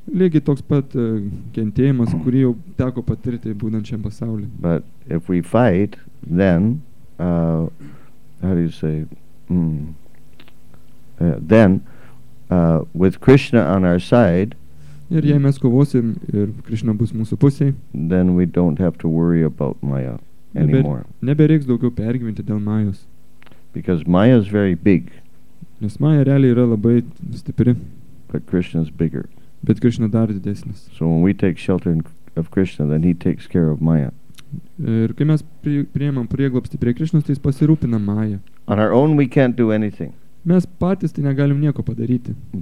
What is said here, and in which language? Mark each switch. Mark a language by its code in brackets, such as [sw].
[lt] Lygiai toks pat kentėjimas, kurį jau teko patirti būnant šiam pasaulyje. [en] But if we fight, then with Krishna on our side, [lt] Ir jei mes kovosim ir Krishna bus mūsų pusėj, [en] then we don't have to worry about Maya anymore. [lt] Nebereiks daugiau pergyventi dėl Majos. [en] Because Maya is very big. [lt] Nes Maya realiai yra labai stipri. [en] But Krishna is bigger. [lt] Bet Krishna dar didesnis. [en] So when we take shelter of Krishna, then he takes care of Maya. [lt] Ir kai mes priėmam prieglobstį prie Krishnos, tai jis pasirūpina Maya. [en] On our own we can't do anything. [lt] Mes patys tai negalim nieko padaryti.